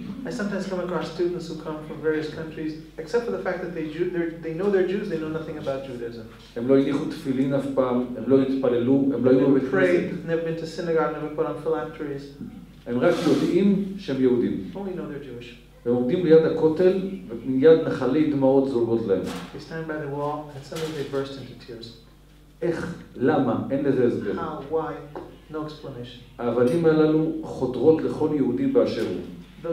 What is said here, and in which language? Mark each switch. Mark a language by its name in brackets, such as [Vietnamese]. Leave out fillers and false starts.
[English] I sometimes come across students who come from various countries, except for the fact that they know they're Jews, they know nothing about Judaism. [Hebrew] הם לא הניחו תפילין אף פעם, הם לא התפללו, הם לא היו בבית כנסת. [English] They've never been to synagogue, never put on phylacteries. [Hebrew] הם רק יודעים שהם יהודים. [English] Only know they're Jewish. [Hebrew] הם עומדים ליד הכותל, ומיד נחלי דמעות זורגות להם. [English] They stand by the wall, and suddenly they burst into tears. [Hebrew] איך? למה? אין לזה הסבר. [English] How? Why? No explanation. [Hebrew] האבנים הללו חודרות לכל יהודי באשר הוא.